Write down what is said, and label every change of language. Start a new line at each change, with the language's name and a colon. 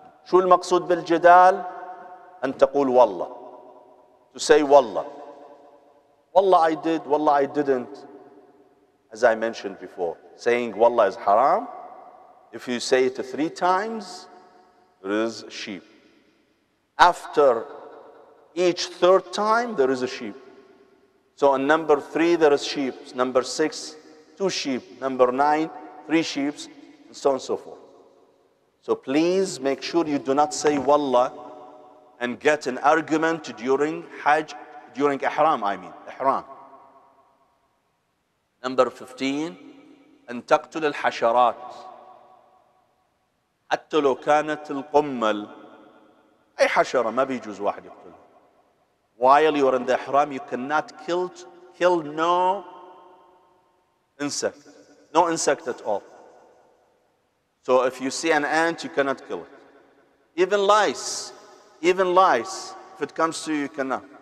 Arabic: شو المقصود بالجدال؟ أن تقول والله.
English: To say والله. والله I did, والله I didn't. As I mentioned before, saying والله is haram. If you say it three times, there is a sheep. After each third time, there is a sheep. So on number three, there is sheep. Number six, two sheep. Number nine, three sheep, and so on and so forth. So please make sure you do not say wallah and get an argument during hajj, during ihram, I mean, ihram. Number 15,
Arabic: أن تقتل الحشرات حتى لو كانت القمل. أي حشرة ما بيجوز واحد يقتلها.
English: While you are in the ihram, you cannot kill no insect. No insect at all. So if you see an ant, you cannot kill it. Even lice, if it comes to you, you cannot.